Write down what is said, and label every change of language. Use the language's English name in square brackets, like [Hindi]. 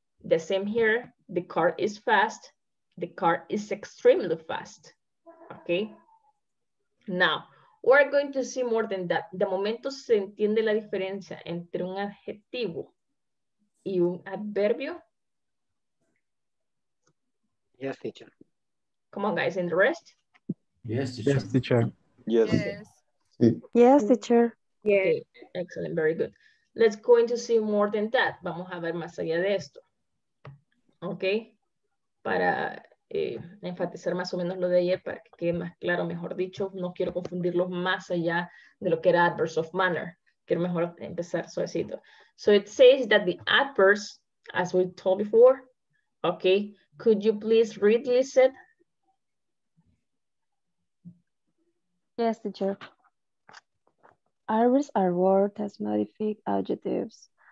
[English] The same here, the car is fast, the car is extremely fast, okay? Now, we're going to see more than that. [Spanish] De momento se entiende la diferencia entre un adjetivo y un adverbio. [English] Yes, teacher. Come on, guys, and the rest? Yes, teacher. Yes, teacher. Yes. Yes, teacher. Yes. Okay. Excellent, very good. Let's go into see more than that. [Spanish] Vamos a ver más allá de esto. Ok. Para enfatizar más o menos lo de ayer, para que quede más claro, mejor dicho, no quiero confundirlo más allá de lo que era adverbs of manner. Quiero mejor empezar suavecito. [English] So it says that the adverbs, as we told before, okay, could you please read, listen? Yes, teacher. Adverbs are words that modify adjectives.